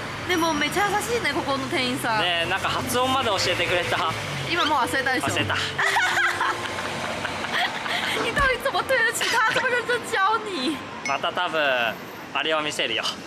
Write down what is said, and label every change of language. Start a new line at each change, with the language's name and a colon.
Japanese: でもめっちゃ優しいね、ここの店員さん。ねえ、なんか発音まで教えてくれた。今もう忘れたでしょ。忘れた。
Chinese: 你到底怎么对得起他这么认真教你？
Japanese: また多分あれを見せるよ。